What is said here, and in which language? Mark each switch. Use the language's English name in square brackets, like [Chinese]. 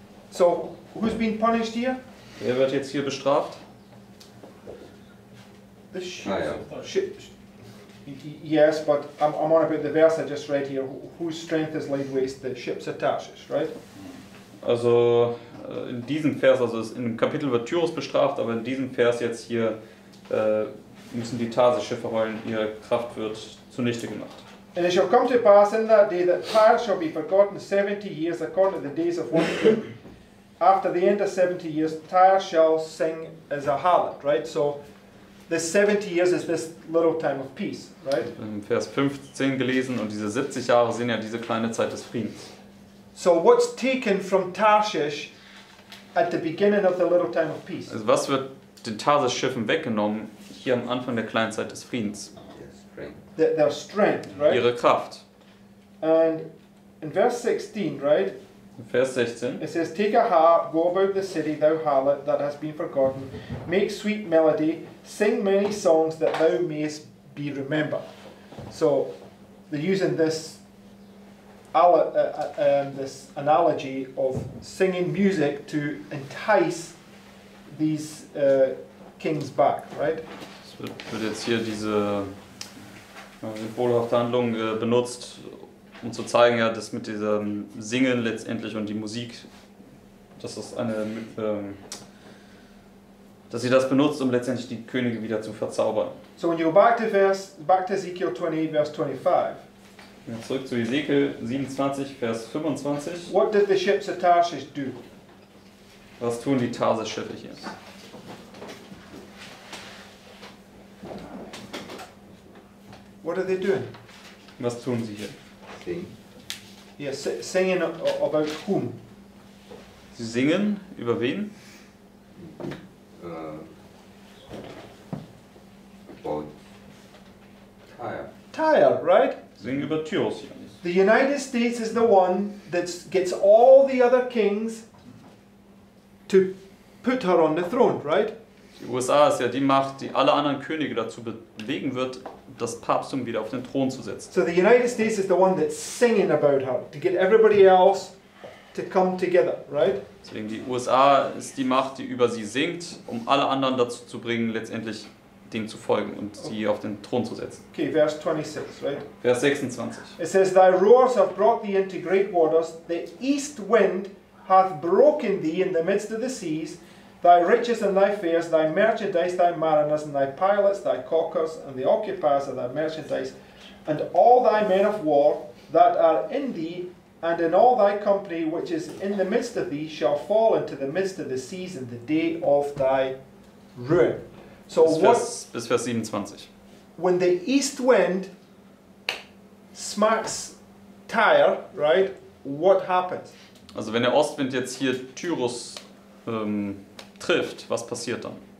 [English] So, who's been punished here? [German] Wer wird jetzt hier bestraft? [English] The ships. Ah, ja. Yes, but I'm on about the verse I just read here. Whose strength is laid waste? The ships of Tarshish, right? [German] Also, in diesem Vers, also in dem Kapitel wird Tyrus bestraft, aber in diesem Vers jetzt hier müssen die Tarsischiffe heulen, ihre Kraft wird zunichte gemacht. [English] And it shall come to pass in that day that Tyre shall be forgotten 70 years according to the days of one king. After the end of 70 years, Tyre shall sing as a harlot, right? So this 70 years is this little time of peace, right? [German] In Vers 15 gelesen und diese 70 Jahre sind ja diese kleine Zeit des Friedens. [English] So what's taken from Tarshish at the beginning of the little time of peace? [German] Also was wird den Tarsisch Schiffen weggenommen hier am Anfang der kleinen Zeit des Friedens? [English] Their strength, right? [German] Ihre Kraft. [English] And in verse 16, right? [German] Vers 16. [English] It says, take a harp, go about the city, thou harlot, that has been forgotten. Make sweet melody, sing many songs, that thou mayest be remembered. So, they're using this, this analogy of singing music to entice these kings back, right? [German] Es wird jetzt hier diese symbolhafte Handlung benutzt, um zu zeigen, ja, dass mit diesem Singen letztendlich und die Musik, dass das eine, dass sie das benutzt, um letztendlich die Könige wieder zu verzaubern. [English] So when you go back to Ezekiel 28, verse 25. [German] Ja, zurück zu Ezekiel 27, Vers 25. [English] What did the ships of Tarshish do? [German] Was tun die Tarsisch-Schiffe hier? [English] What are they doing? [German] Was tun sie hier? Singen. [English] Yes, singing about whom? [German] Sie singen über wen? [English] About Tyre. Tyre, right? [German] Singen über Tyrus. [English] The United States is the one that gets all the other kings to put her on the throne, right? [German] Die USA ist ja die Macht, die alle anderen Könige dazu bewegen wird, das Papsttum wieder auf den Thron zu setzen. [English] So the United States is the one that's singing about her to get everybody else to come together, right? [German] Deswegen die USA ist die Macht, die über sie singt, um alle anderen dazu zu bringen, letztendlich dem zu folgen und sie auf den Thron zu setzen. [English] Okay, verse 26, right? [German] Vers 26. [English] It says, thy roars have brought thee into great waters. The east wind hath broken thee in the midst of the seas. Thy riches and thy fares, thy merchandise, thy mariners and thy pilots, thy caulkers and the occupiers of thy merchandise, and all thy men of war that are in thee, and in all thy company which is in the midst of thee, shall fall into the midst of the seas in the day of thy ruin. [German] So bis Vers 27. [English] When the east wind smacks Tyre, right, what happens? [German] Also wenn der Ostwind jetzt hier Tyrus trifft, was passiert dann?